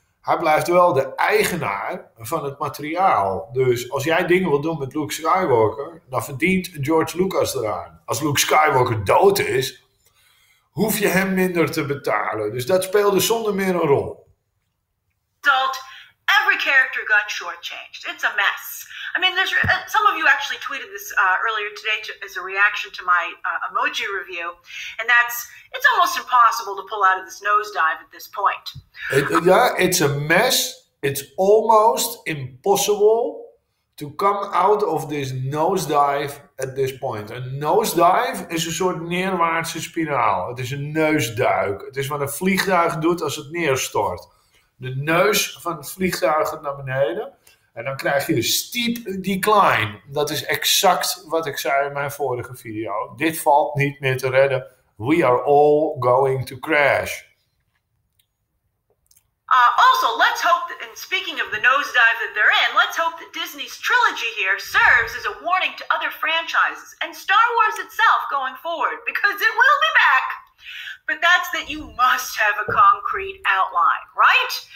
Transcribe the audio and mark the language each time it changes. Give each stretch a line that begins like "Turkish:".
Dutch: Hij blijft wel de eigenaar van het materiaal. Dus als jij dingen wil doen met Luke Skywalker, dan verdient George Lucas eraan. Als Luke Skywalker dood is, hoef je hem minder te betalen. Dus dat speelde zonder meer een rol.
English: Dalt, every character got shortchanged. It's a mess. I mean, there's some of you actually tweeted this earlier today as a reaction to my emoji review. And that's, it's almost impossible to pull out of this nosedive at this point. It's a mess. It's almost impossible to come out of this nosedive at this point.
Dutch: A nosedive is een soort neerwaartse spiraal. Het is een neusduik. Het is wat een vliegtuig doet als het neerstort. De neus van het vliegtuig naar beneden. En dan krijg je een
English: steep decline.
Dutch: Dat is exact wat ik zei in mijn vorige video. Dit valt niet meer te redden.
English: We are all going to crash. Also, let's hope that, and speaking of the nosedive that they're in, let's hope that Disney's trilogy here serves as a warning to other franchises and Star Wars itself going forward, because it will be back. But that's that you must have a concrete outline, right?